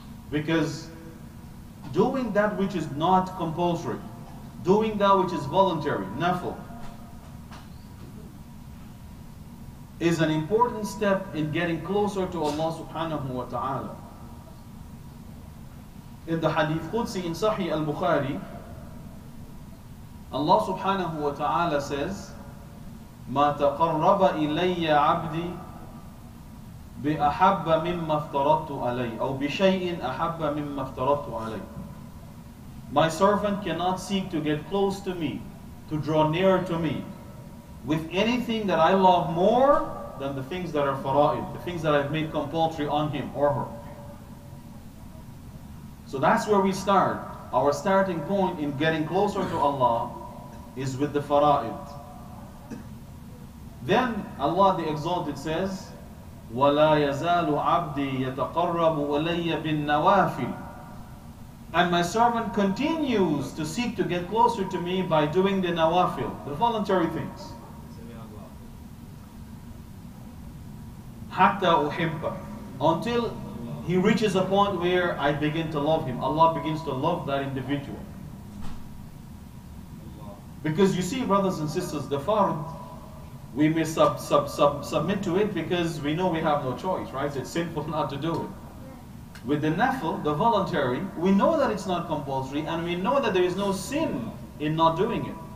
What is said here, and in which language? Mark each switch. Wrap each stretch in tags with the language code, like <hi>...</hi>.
<en>Because doing that which is not compulsory, doing that which is voluntary, nafl, is an important step in getting closer to Allah subhanahu wa ta'ala. In the hadith Qudsi in Sahih al-Bukhari, Allah subhanahu wa ta'ala says,</en> <ar>مَا تَقَرَّبَ إِلَيَّ عَبْدِي بِأَحَبَّ مِمَّا افْتَرَضْتُ عَلَيْهِ أَوْ بِشَيْءٍ أَحَبَّ مِمَّا افْتَرَضْتُ عَلَيْهِ.</ar> <en>My servant cannot seek to get close to me, to draw nearer to me, with anything that I love more than the things that are fara'id, the things that I've made compulsory on him or her. So that's where we start. Our starting point in getting closer to Allah is with the fara'id. Then Allah the Exalted says,</en> <ar>وَلَا يَزَالُ عَبْدِي يَتَقَرَّبُ أَلَيَّ بِالنَّوَافِلِ.</ar> <en>And my servant continues to seek to get closer to me by doing the nawafil, the voluntary things.</en> <ar>حَتَّى أُحِبَّ. Until</ar> <en>he reaches a point where I begin to love him. Allah begins to love that individual. Because you see, brothers and sisters, the fard, we may submit to it because we know we have no choice, right? It's sinful not to do it. With the nafil, the voluntary, we know that it's not compulsory and we know that there is no sin in not doing it.</en>